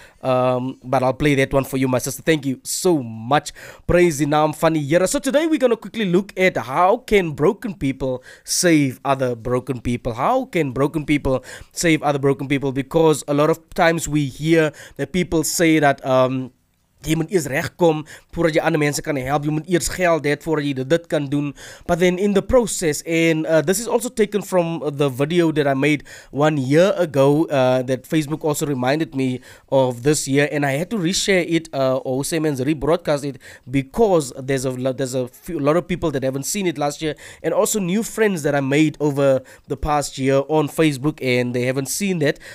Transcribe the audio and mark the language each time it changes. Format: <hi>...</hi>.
<en>But I'll play that one for you, my sister. Thank you so much. Praise the name, funny Yera. So today we're going to quickly look at how can broken people save other broken people? How can broken people save other broken people? Because a lot of times we hear that people say that,</en> <af>jy moet eers regkom voordat jy ander mense kan help. Jy moet eers geld hê voordat jy dit kan doen.</af> <en>But then in the process, and this is also taken from the video that I made 1 year ago, that Facebook also reminded me of this year, and I had to reshare it or same as rebroadcast it, because there's a lot of people that haven't seen it last year, and also new friends that I made over the past year on Facebook, and they haven't seen that,</en>